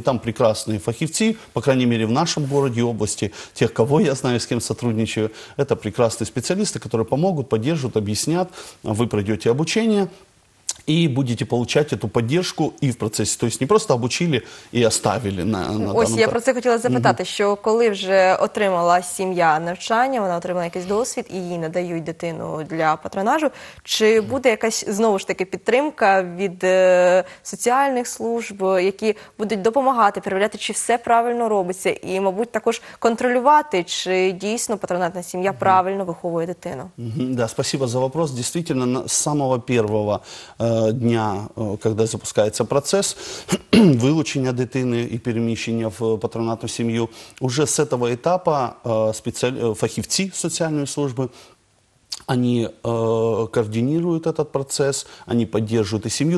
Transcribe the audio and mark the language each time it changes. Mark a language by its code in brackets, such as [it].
[ru] Там прекрасные фахивцы, по крайней мере, в нашем городе и области. Тех, кого я знаю, с кем сотрудничаю. Это прекрасные специалисты, которые помогут, поддержат, объяснят. Вы пройдете обучение и будете получать эту поддержку и в процессе. То есть не просто обучили и оставили на [uk] ось, я про це хотіла запитати, що коли вже отримала сім'я навчання, вона отримала якийсь досвід і їй надають дитину для патронажу, чи буде якась, знову ж таки, підтримка від соціальних служб, які будуть допомагати, перевіряти, чи все правильно робиться, і, мабуть, також контролювати, чи дійсно патронатна сім'я правильно виховує дитину? [ru] Да, спасибо за вопрос. Действительно, з самого первого дня, когда запускается процесс вылучения дитини и перемещения в патронатную семью, уже с этого этапа [uk] фахівці соціальної служби [ru] Они координируют этот процесс, они поддерживают и семью.